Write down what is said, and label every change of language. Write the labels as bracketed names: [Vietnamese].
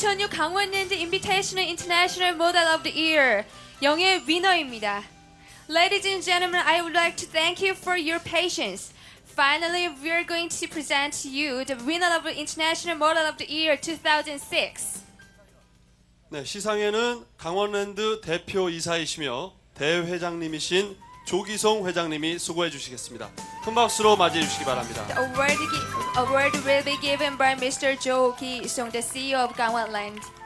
[Korean] 강원랜드 인비테이셔널 인터내셔널 모델 오브 더 이어 영예 위너입니다. [English] Ladies and gentlemen, I would like to thank you for your patience. Finally, we are going to present to you the winner of the International Model of the Year 2006. [Korean] 네, 시상에는 강원랜드 대표 이사이시며 대회장님이신 조기송 회장님이 수고해 주시겠습니다. 큰 박수로 맞이해 주시기 바랍니다. [English] The award will be given by Mr. 조기송, the CEO of Gangwon Land.